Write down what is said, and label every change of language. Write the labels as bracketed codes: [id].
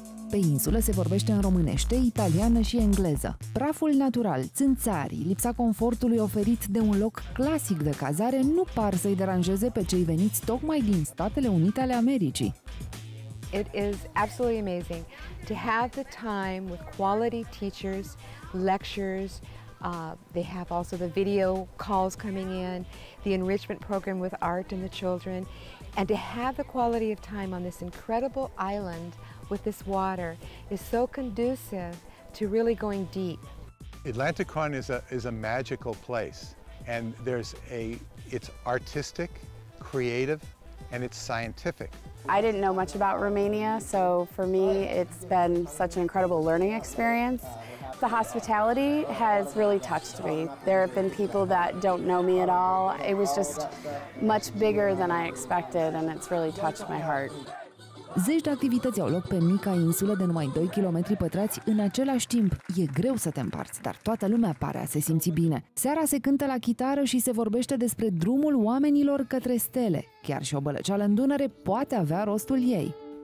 [ro] Pe insulă se vorbește în românește, italiană și engleză. Praful natural, țânțarii, lipsa confortului oferit de un loc clasic de cazare nu par să-i deranjeze pe cei veniți tocmai din Statele Unite ale Americii. [en] It is absolutely amazing to have the time with quality teachers, lectures. They have also the video calls coming in, the enrichment program with art and the children, and to have the quality of time on this incredible island with this water is so conducive to really going deep. Atlanticon is a magical place, and it's artistic, creative, and it's scientific. I didn't know much about Romania, so for me it's been such an incredible learning experience. The hospitality has really touched me. There have been people that don't know me at all. It was just much bigger than I expected, and it's really touched my heart. [ro] Zeci de activități au loc pe mica insulă de numai 2 km pătrați în același timp. E greu să te împarți, dar toată lumea pare a se simți bine. Seara se cântă la chitară și se vorbește despre drumul oamenilor către stele. Chiar și o bălăceală în Dunăre poate avea rostul ei.